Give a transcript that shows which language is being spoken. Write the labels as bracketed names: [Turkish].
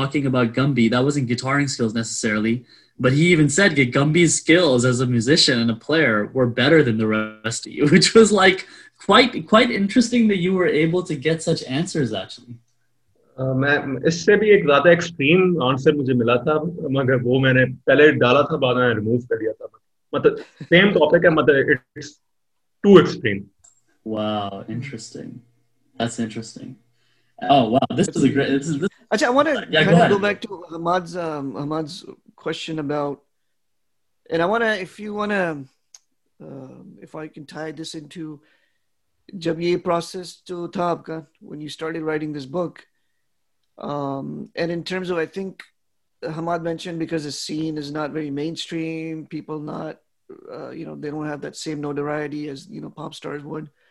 [English] I did notice that. I did notice that. And even, I think, at one point, yeah, no, definitely, you talked about that thing, the Yaad Karne Koshish Karo, Shalom Xavier, I think, was talking about Gumby, that wasn't guitaring skills necessarily. But he even said that Gumby's skills as a musician and a player were better than the rest of you, which was like quite interesting that you were able to get such answers, actually. [Hindi] इससे भी एक ज़्यादा extreme answer मुझे मिला था, मगर वो मैंने पहले डाला था, बाद में remove कर दिया था. मतलब same topic है, मतलब [English] it's too extreme. Wow, interesting. That's interesting. Oh wow, this is a great. Actually, I want to go back to Ahmad's Ahmad's question about, and I want to, if you want to, if I can tie this into [Hindi] jab ye process to tha aapka, [English] when you started writing this book, and in terms of, I think Ahmad mentioned, because the scene is not very mainstream, people not, you know, they don't have that same notoriety as, you know, pop stars would.